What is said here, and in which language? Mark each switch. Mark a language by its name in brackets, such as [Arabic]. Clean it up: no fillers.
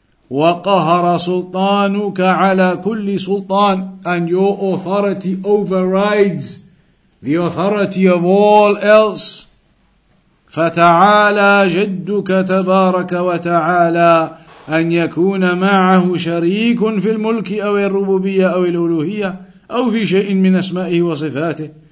[Arabic] وقهر سلطانك على كل سلطان. [English] And your authority overrides the authority of all else. [Arabic] فتعالى جدك تبارك وتعالى أن يكون معه شريك في الملك أو الربوبية أو الألوهية أو في شيء من أسمائه وصفاته.